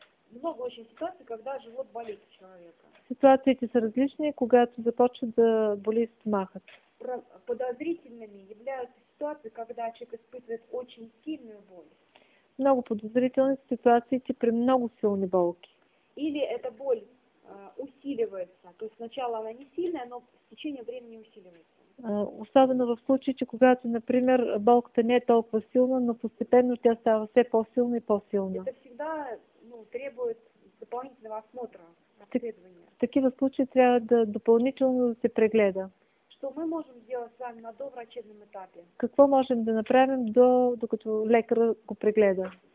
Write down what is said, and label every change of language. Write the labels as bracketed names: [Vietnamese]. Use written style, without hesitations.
[Russian] Много очень ситуаций, когда живот болит у человека. [Bulgarian] Ситуациите са различни, когато започва да боли стомахът. [Russian] Подозрителными являются ситуации, когда человек испытывает очень сильную боль. [Bulgarian] Много подозрителни са ситуациите при много силни болки. [Russian] Или эта боль усиливается, то есть сначала она не сильная, но в течение времени усиливается. [Bulgarian] Особено в случаите, когато, например, болката не е толкова силна, но постепенно тя става все по-силна и по-силна. [Russian] Это всегда требует дополнительного осмотра, обследования. [Bulgarian] В такива случаи трябва да допълнително да се прегледа. [Russian] Что мы можем сделать с вами на доврачебном этапе? [Bulgarian] Какво можем да направим докато лекарът го прегледа?